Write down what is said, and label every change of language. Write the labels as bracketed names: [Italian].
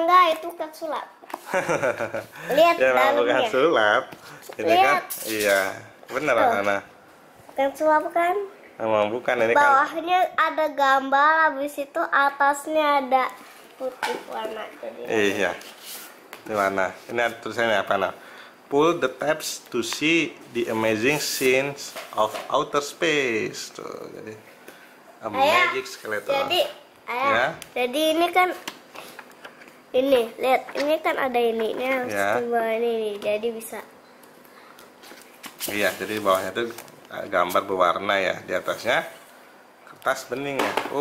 [Indonesian] Enggak, itu kan sulap. Lihat ya, dalamnya. Ya, bukan sulap. Ini lihat. Kan iya. Benar Anan. Bukan sulap kan? Emang bukan ini bawahnya kan. Ada gambar, habis itu atasnya ada putih warna jadi. Iya. Ini warna. Ini tulisannya apa nah? [English] Pull the tabs to see the amazing scenes of outer space. [Indonesian] Tuh, jadi [English] a magic skeleton. [Indonesian] Jadi, ayah, ya. Jadi ini kan ini, lihat ini kan ada ini. Ini harus dibawa ya. Ini. Jadi bisa. Iya, jadi bawahnya tuh gambar berwarna ya, di atasnya kertas bening ya.